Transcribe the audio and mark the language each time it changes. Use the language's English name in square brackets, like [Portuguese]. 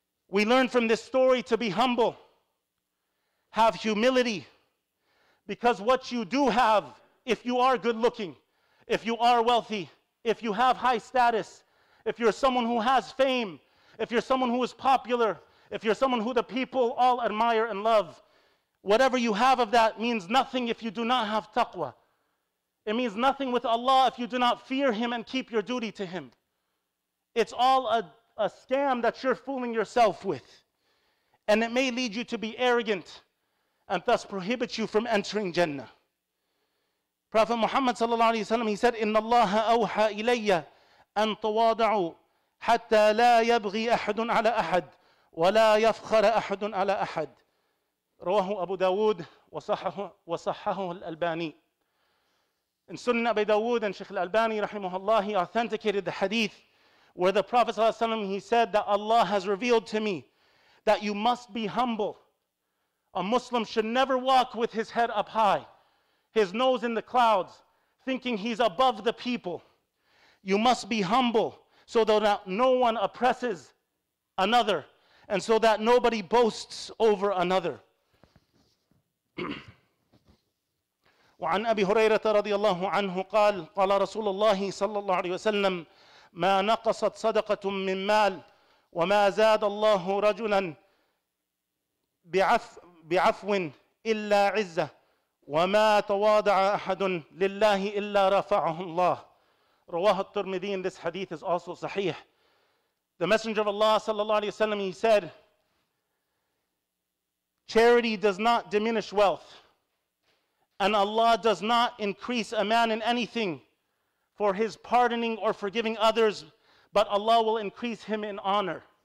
[English] We learn from this story to be humble, have humility, because what you do have, if you are good looking, if you are wealthy, if you have high status, if you're someone who has fame, if you're someone who is popular, if you're someone who the people all admire and love, whatever you have of that means nothing if you do not have taqwa. It means nothing with Allah if you do not fear Him and keep your duty to Him. It's all a scam that you're fooling yourself with. And it may lead you to be arrogant and thus prohibit you from entering Jannah. Prophet Muhammad sallallahu alayhi wa sallam, he said, [Arabic] إِنَّ اللَّهَ أَوْحَى إِلَيَّ أَن تَوَاضَعُوا حَتَّى لَا يَبْغِي أَحَدٌ عَلَى أَحَدٍ وَلَا يَفْخَرَ أَحَدٌ عَلَى أَحَدٍ رواه أبو داود وصححه الألباني. [English] In Sunnah Abu Dawood and Sheikh Al-Albani rahimahullah, he authenticated the hadith where the Prophet sallallahu alayhi wa sallam, he said that Allah has revealed to me that you must be humble. A Muslim should never walk with his head up high, his nose in the clouds, thinking he's above the people. You must be humble so that no one oppresses another and so that nobody boasts over another. [Arabic] وعن أبي هريرة رضي الله عنه قال قال رسول الله صلى الله عليه وسلم ما نقصت صدقة من مال وما زاد الله رجلا بعفو إلا عزة وما تواضع أحد لله إلا رفعه الله رواه الترمذي. [English] This hadith is also sahih. The Messenger of Allah صلى الله عليه وسلم, he said, charity does not diminish wealth, and Allah does not increase a man in anything for his pardoning or forgiving others, but Allah will increase him in honor.